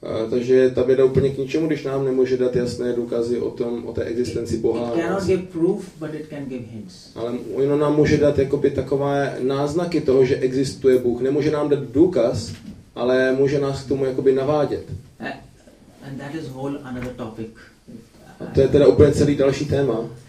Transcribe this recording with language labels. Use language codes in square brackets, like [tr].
[cs] Takže ta věda úplně k ničemu, když nám nemůže dát jasné důkazy o tom, o té existenci Boha. [en] It cannot give proof, but it can give hints. [cs] Ale ono nám může dát jakoby takové náznaky toho, že existuje Bůh. Nemůže nám dát důkaz, ale může nás k tomu jakoby navádět. [en] And that is whole another topic. A to je teda úplně celý další téma.